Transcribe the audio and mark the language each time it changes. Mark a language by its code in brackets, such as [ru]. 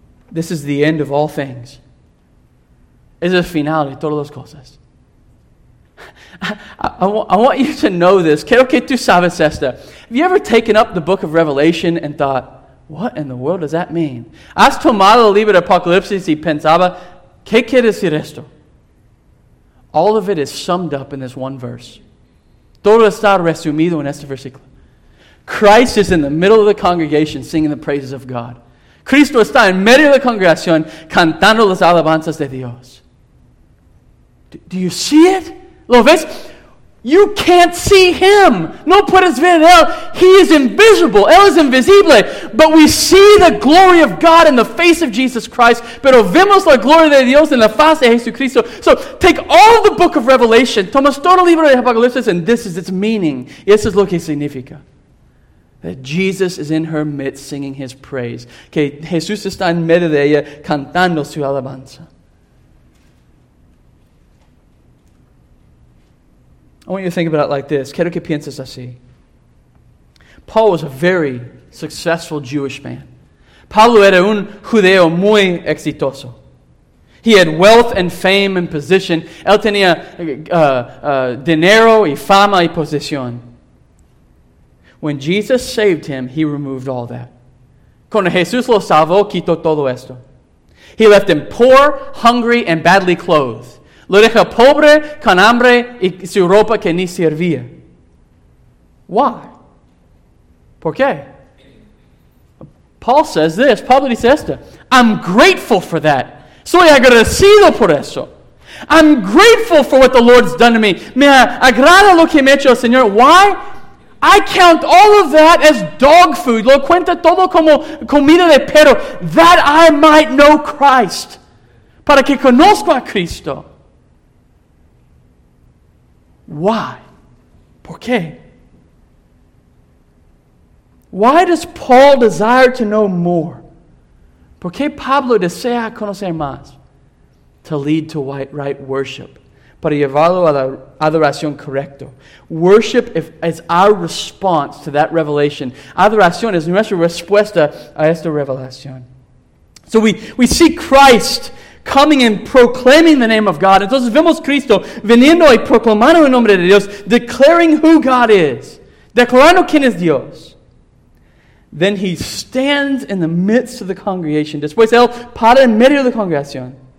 [en] This is the end of all things. [es] Es el final de todas las cosas. [en] I want you to know this. [es] Quiero que tú sabes esto. [en] Have you ever taken up the book of Revelation and thought, what in the world does that mean? [es] ¿Has tomado el libro de Apocalipsis y pensaba, qué quiere decir esto? [en] All of it is summed up in this one verse. [es] Todo está resumido en este versículo. [en] Christ is in the middle of the congregation singing the praises of God. [es] Cristo está en medio de la congregación cantando las alabanzas de Dios. [en] Do you see it? [es] ¿Lo ves? [en] You can't see Him. [es] No puedes ver Él. [en] He is invisible. [es] Él es invisible. [en] But we see the glory of God in the face of Jesus Christ. [es] Pero vemos la gloria de Dios en la face de Jesucristo. [en] So take all the book of Revelation. [es] Toma todo el libro de Apocalipsis [en] and this is its meaning. [es] Y eso es lo que significa. [en] That Jesus is in her midst singing His praise. [es] Que Jesús está en medio de ella cantando su alabanza. [en] I want you to think about it like this. [es] Quiero que pienses así. [en] Paul was a very successful Jewish man. [es] Pablo era un judío muy exitoso. [en] He had wealth and fame and position. [es] Él tenía dinero y fama y posición. [en] When Jesus saved him, He removed all that. [es] Cuando Jesús lo salvó, quitó todo esto. [en] He left him poor, hungry, and badly clothed. [es] Lo deja pobre, con hambre, y su ropa que ni servía. [en] Why? [es] ¿Por qué? [en] Paul says this. [es] Pablo dice esto. [en] I'm grateful for that. [es] Soy agradecido por eso. [en] I'm grateful for what the Lord's done to me. [es] Me agrada lo que me ha hecho el Señor. [en] Why? I count all of that as dog food. [es] Lo cuenta todo como comida de perro. [en] That I might know Christ. [es] Para que conozco a Cristo. [en] Why? [es] ¿Por qué? [en] Why does Paul desire to know more? [es] ¿Por qué Pablo desea conocer más? [en] To lead to right worship. [es] Para llevarlo a la adoración correcto. [en] Worship is our response to that revelation. [es] Adoración es nuestra respuesta a esta revelación. [en] So we see Christ coming and proclaiming the name of God. [es] Entonces vemos Cristo viniendo y proclamando el nombre de Dios, [en] declaring who God is, [es] declarando quién es Dios. [en] Then He stands in the midst of the congregation. [es] Después Él para en medio de la congregación.